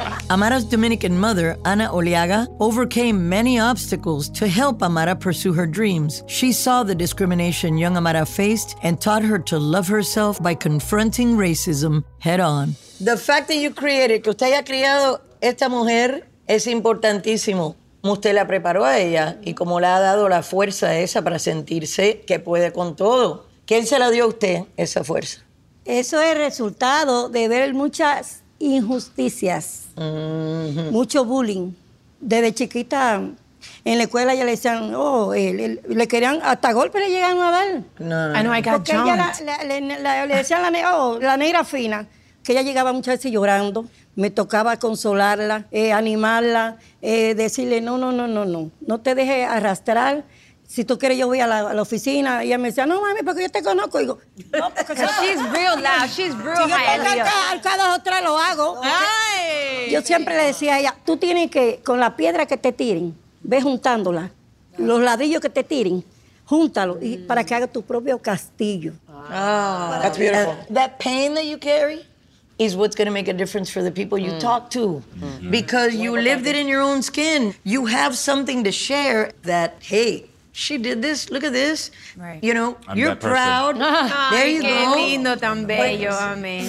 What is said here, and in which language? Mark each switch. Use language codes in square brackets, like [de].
[en] Amara's Dominican mother, Ana Oliaga, overcame many obstacles to help Amara pursue her dreams. She saw the discrimination young Amara faced and taught her to love herself by confronting racism head on. The fact that you created, [es] que usted haya criado esta mujer, es importantísimo. cómo usted la preparó a ella y cómo le ha dado la fuerza esa para sentirse que puede con todo. ¿Quién se la dio a usted esa fuerza? Eso es resultado de ver muchas injusticias, mucho bullying. Desde chiquita, en la escuela ya le decían, le querían, hasta golpes le llegaron a dar. No. Porque ella le decían la negra fina, que ella llegaba muchas veces llorando. Me tocaba consolarla, animarla, decirle, no, no te dejes arrastrar. Si tú quieres, yo voy a la oficina. Y ella me decía, no, mami, porque yo te conozco. Y digo, no, porque... [en] She's real loud. She's real high. [es] Si yo tengo que al cada dos o tres, lo hago. Ay. Yo siempre le decía a ella, tú tienes que, con la piedra que te tiren, ve juntándola, los ladrillos que te tiren, júntalo y para que hagas tu propio castillo. [en] That's beautiful. That pain that you carry is what's going to make a difference for the people you talk to. Because you lived it in your own skin. You have something to share that, hey, she did this, look at this. Right. You know, I'm you're proud. There you go. [es] Qué lindo, tan bello. Amen.